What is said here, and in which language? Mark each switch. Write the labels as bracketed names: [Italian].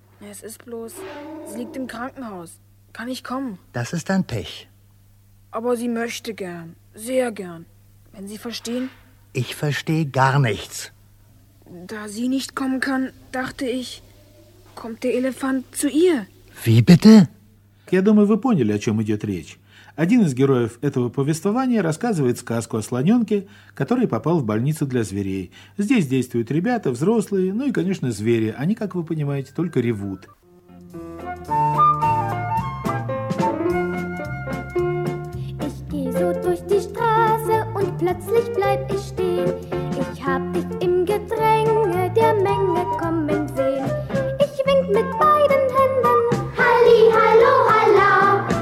[German] Es ist bloß, sie liegt im Krankenhaus. Kann ich kommen? Das ist ein Pech. Aber sie möchte gern, sehr gern. Wenn Sie verstehen? Ich verstehe gar nichts. Da sie nicht kommen kann, dachte ich, kommt der Elefant zu ihr. Wie bitte? [Russian] Я думаю, вы поняли, о чем идет речь. Один из героев этого повествования рассказывает сказку о слоненке, который попал в больницу для зверей. Здесь действуют ребята, взрослые, ну и, конечно, звери. Они, как вы понимаете, только ревут. [German] Ich geh so durch die Straße und plötzlich bleib ich stehen. Ich hab dich im Gedränge der Menge kommen sehen. Ich wink mit beiden Händen. Halli, hallo, halla.